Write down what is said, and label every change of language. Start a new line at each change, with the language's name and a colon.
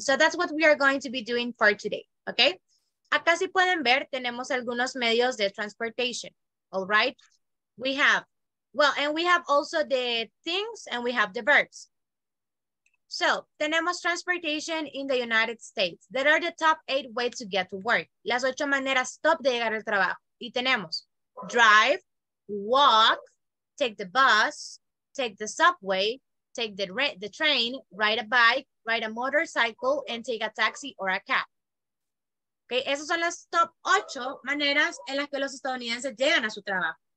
English: So that's what we are going to be doing for today. Okay.
Spanish: Acá si pueden ver, tenemos algunos medios de transportation.
English: All right. We have, well, and we have also the things and we have the verbs. So, tenemos transportation in the United States. There are the top 8 ways to get to work.
Spanish: Las 8 maneras top de llegar al trabajo. Y tenemos
English: drive, walk, take the bus, take the subway, take the train, ride a bike, ride a motorcycle, and take a taxi or a cab.
Spanish: Okay, esas son las top 8 maneras en las que los estadounidenses llegan a su trabajo.